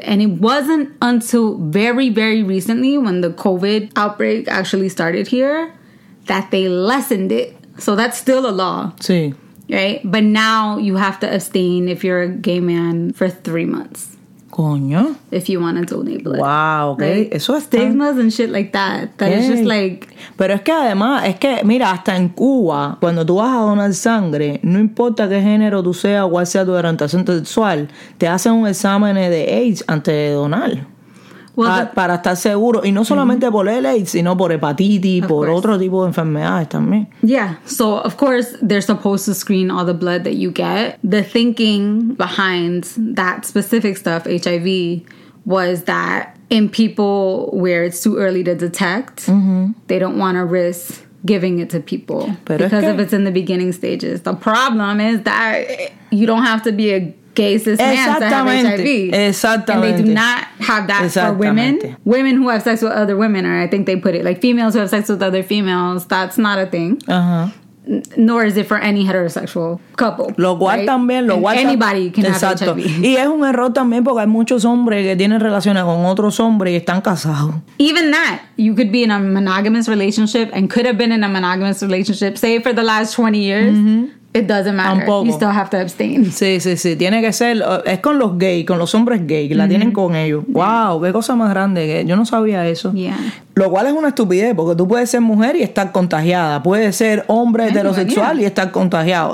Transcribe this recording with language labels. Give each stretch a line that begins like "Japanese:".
English: And it wasn't until very, very recently when the COVID outbreak actually started here that they lessened it. So that's still a law.
Spanish: Sí.
English: Right? But now you have to abstain if you're a gay man for 3 months.
Spanish: Coño.
English: If you want to donate blood. Wow, okay. Right?
Spanish: Eso es
English: stigmas and shit like that. That is just like...
Spanish: Pero es que además, es que mira, hasta en Cuba, cuando tú vas a donar sangre, no importa qué género tú seas o cuál sea tu orientación sexual, te hacen un examen de AIDS antes de donar. Para estar seguro. Y no solamente por el AIDS, sino por hepatitis, por otro tipo de enfermedades también.
English: Yeah. So, of course, they're supposed to screen all the blood that you get. The thinking behind that specific stuff, HIV, was that in people where it's too early to detect, they don't want to risk giving it to people.
Spanish: Pero
English: because
Spanish: es que...
English: if it's in the beginning stages. The problem is that you don't have to be a...
Spanish: Exactamente.
English: And they do not have that for women. Women who have sex with other women, or I think they put it like females who have sex with other females, that's not a thing. Nor is it for any heterosexual couple.
Spanish: Lo cual
English: right?
Spanish: también, lo cual
English: anybody can have HIV.
Spanish: Y es un error también porque hay muchos hombres que tienen relaciones con otros hombres y están casados.
English: Even that, you could be in a monogamous relationship and could have been in a monogamous relationship, say for the last 20 years. Mm-hmm. It doesn't matter.
Spanish: Tampoco.
English: You still have to abstain.
Spanish: Sí, sí, sí. Tiene que ser... Es con los gays, con los hombres gays. La tienen con ellos. Yeah. Wow, qué cosa más grande. Yo no sabía eso.
English: Yeah.
Spanish: Lo cual es una estupidez, porque tú puedes ser mujer y estar contagiada. Puedes ser hombre heterosexual y estar contagiado.